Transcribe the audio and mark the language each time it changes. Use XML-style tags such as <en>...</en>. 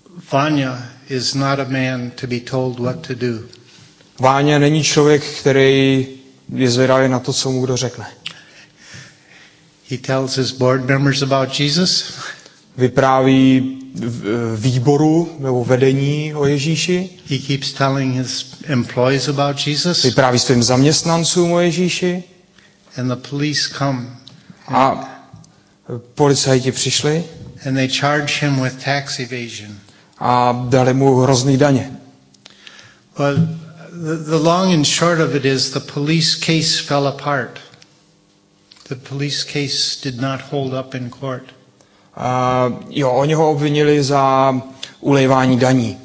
<en>Vanya is not a man to be told what to do.</en> <cs>Váňa není člověk, který je zvědavý na to, co mu kdo řekne.</cs> <en>He tells his board members about Jesus.</en> <cs>Vypráví výboru nebo vedení o Ježíši.</cs> <en>He keeps telling his employees about Jesus.</en> <cs>Vypráví svým zaměstnancům o Ježíši.</cs> <en>And the police come.</en> <cs>A policajti přišli.</cs> <en>And they charge him with tax evasion.</en> <cs>A dali mu hrozný daně.</cs> <en>But the long and short of it is the police case fell apart. The police case did not hold up in court.</en> <cs>Jo, oni ho obvinili za ulévání daní.</cs>